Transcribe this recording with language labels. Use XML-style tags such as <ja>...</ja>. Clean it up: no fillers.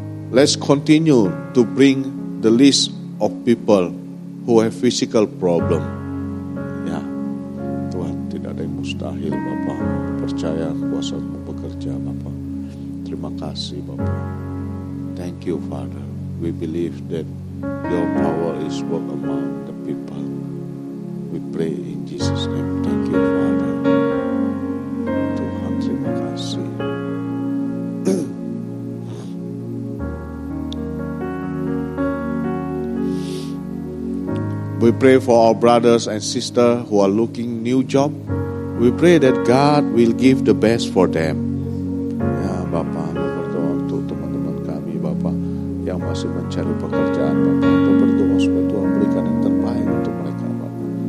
<en>Let's continue to bring the list of people who have physical problem. Yeah.</en> <id>Tuhan, tidak ada yang mustahil, Bapa. Percaya kuasa-Mu bekerja, Bapa. Terima kasih, Bapa.</id> <en>Thank you, Father. We believe that your power is work among the people. We pray in Jesus' name. Thank you, Father.</en> <id>Tuhan, terima kasih.</id> <en>We pray for our brothers and sisters who are looking new job. We pray that God will give the best for them.</en> <id>Ya Bapa, berdoa untuk teman-teman kami, Bapa yang masih mencari pekerjaan, Bapa untuk berdoa supaya Tuhan berikan yang terbaik untuk mereka, Bapa.</id>